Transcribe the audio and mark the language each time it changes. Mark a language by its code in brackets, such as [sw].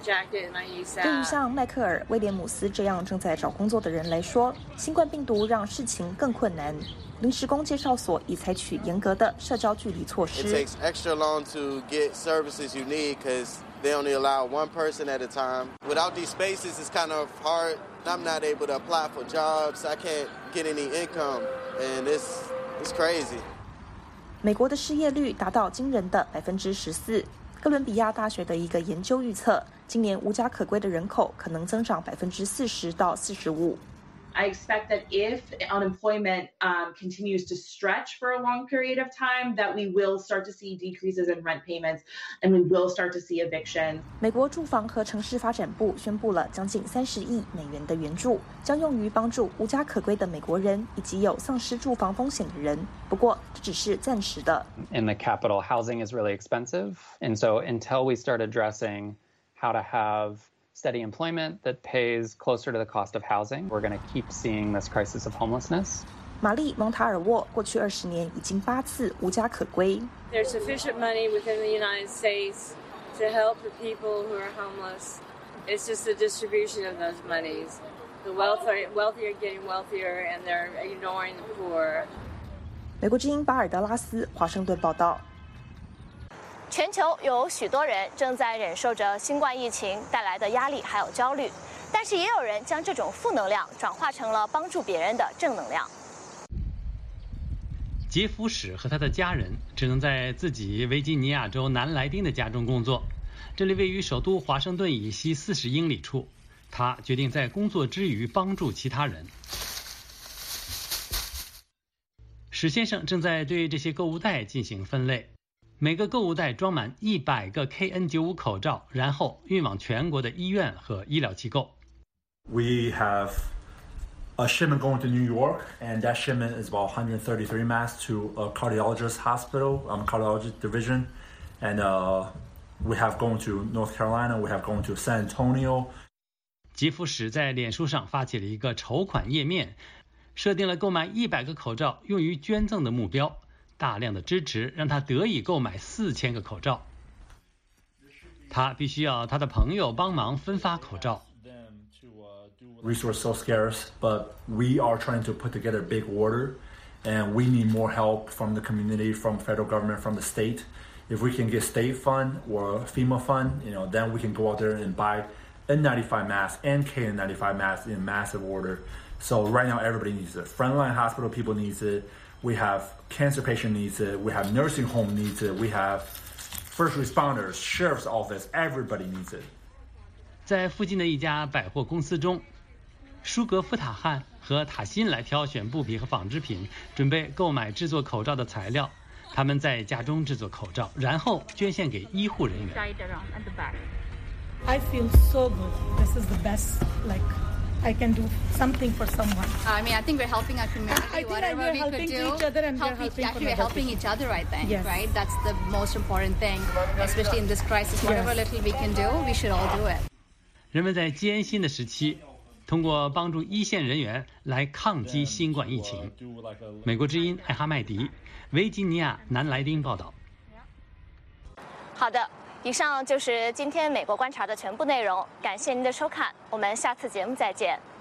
[zh] 对于像迈克尔·威廉姆斯这样正在找工作的人来说，新冠病毒让事情更困难。临时工介绍所已采取严格的社交距离措施。 [en] It takes extra long to get services you need because they only allow one person at a time. Without these spaces, it's kind of hard. I'm not able to apply for jobs. I can't get any income, and it's crazy. [zh] 美国的失业率达到惊人的14%。哥伦比亚大学的一个研究预测，今年无家可归的人口可能增长40%-45%。 [en] I expect that if unemployment continues to stretch for a long period of time, that we will start to see decreases in rent payments, and we will start to see evictions. [zh] 美国住房和城市发展部宣布了将近$30亿的援助，将用于帮助无家可归的美国人以及有丧失住房风险的人。不过，这只是暂时的。 [en] In the capital, housing is really expensive, and so until we start addressing how to have steady employment that pays closer to the cost of housing, we're going to keep seeing this crisis of homelessness. [zh] 玛丽·蒙塔尔沃过去20年已经8次无家可归。 [en] There's sufficient money within the United States to help the people who are homeless. It's just the distribution of those monies. The wealthier are getting wealthier, and they're ignoring the poor. [zh] 美国之音巴尔德拉斯，华盛顿报道。全球有许多人正在忍受着新冠疫情带来的压力还有焦虑，但是也有人将这种负能量转化成了帮助别人的正能量。杰夫·史和他的家人只能在自己维吉尼亚州南莱丁的家中工作，这里位于首都华盛顿以西40英里处。他决定在工作之余帮助其他人。史先生正在对这些购物袋进行分类，每个购物袋装满100个 KN95 口罩，然后运往全国的医院和医疗机构。 [en] We have a shipment going to New York, and that shipment is about 133 masks to a cardiologist hospital, cardiology division. And we have going to North Carolina, we have going to San Antonio. [zh] 吉夫史在脸书上发起了一个筹款页面，设定了购买100个口罩用于捐赠的目标。大量的支持让他得以购买4000个口罩。他必须要他的朋友帮忙分发口罩。 [en] Resource so scarce, but we are trying to put together a big order, and we need more help from the community, from federal government, from the state. If we can get state fund or FEMA fund, you know, then we can go out there and buy N95 masks and KN95 masks in massive order. So right now, everybody needs it. Frontline hospital people needs it. We have cancer patient needs it. We have nursing home needs it. We have first responders, sheriff's office. Everybody needs it. [zh] 在附近的一家百货公司中，舒格夫塔汉和塔辛来挑选布匹和纺织品，准备购买制作口罩的材料。他们在家中制作口罩，然后捐献给医护人员。 [en] I feel so good. This is the best, like. I can do something for someone. I mean, I think we're helping our community. I think we're helping each other, I think. Right? That's the most important thing, especially in this crisis. Whatever little we can do, we should all do it. [zh] 人们在艰辛的时期，通过帮助一线人员来抗击新冠疫情。美国之音艾哈麦迪，维吉尼亚南莱丁报道。好的。以上就是今天美国观察的全部内容，感谢您的收看，我们下次节目再见。